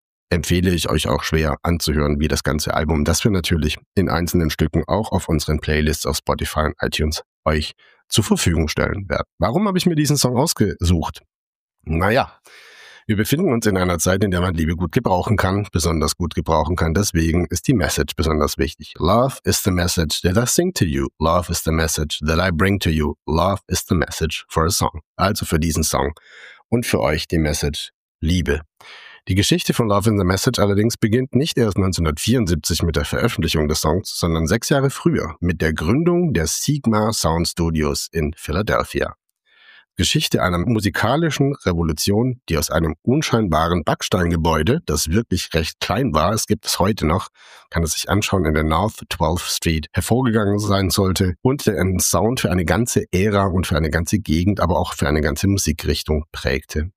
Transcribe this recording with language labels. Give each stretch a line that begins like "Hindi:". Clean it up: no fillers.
German: Empfehle ich euch auch schwer anzuhören, wie das ganze Album, das wir natürlich in einzelnen Stücken auch auf unseren Playlists auf Spotify und iTunes euch zur Verfügung stellen werden. Warum habe ich mir diesen Song ausgesucht? Naja, wir befinden uns in einer Zeit, in der man Liebe gut gebrauchen kann, besonders gut gebrauchen kann. Deswegen ist die Message besonders wichtig.
English: Love is the message that I sing to you. Love is the message that I bring to you. Love is the message for a song.
German: Also für diesen Song und für euch die Message Liebe. Die Geschichte von Love in the Message allerdings beginnt nicht erst 1974 mit der Veröffentlichung des Songs, sondern 6 Jahre früher mit der Gründung der Sigma Sound Studios in Philadelphia. Geschichte einer musikalischen Revolution, die aus einem unscheinbaren Backsteingebäude, das wirklich recht klein war, es gibt es heute noch, kann es sich anschauen, in der North 12th Street hervorgegangen sein sollte und den Sound für eine ganze Ära und für eine ganze Gegend, aber auch für eine ganze Musikrichtung prägte.